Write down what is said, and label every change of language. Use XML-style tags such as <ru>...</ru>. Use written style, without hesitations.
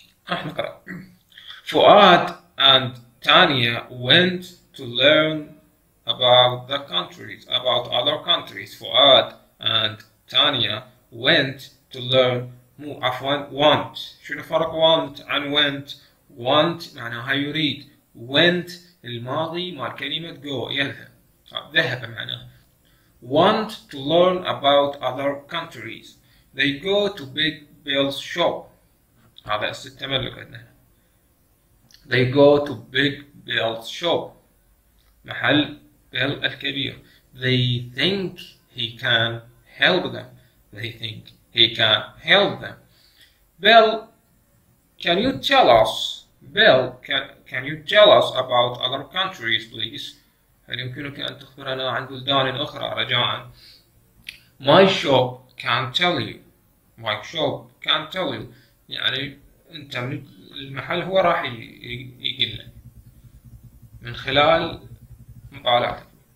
<ar>راح نقرا</ar> <en>فؤاد and Tanya went to learn about the countries، about other countries. Fuad and Tanya went to learn.</en> <ar>مو عفوا want، شنو فرق want عن went؟ want معناها يريد، went الماضي مال كلمة go يذهب، ذهب معناها.</ar> <en>want to learn about other countries. They go to Big Bill's shop.</en> <ar>هذا التملك عندنا.</ar> <en>They go to Big Bill's shop.</en> <ar>محل بيل الكبير.</ar> <en>They think he can help them. they think he can help them. Bill, can you tell us, Bill, can you tell us about other countries, please?</en> <ar>هل يمكنك أن تخبرنا عن بلدان أخرى رجاء؟</ar> <en>My shop can tell you. My shop can tell you.</en> <ar>يعني أنت من المحل هو راح يقول لك من خلال مطالعتك.</ar>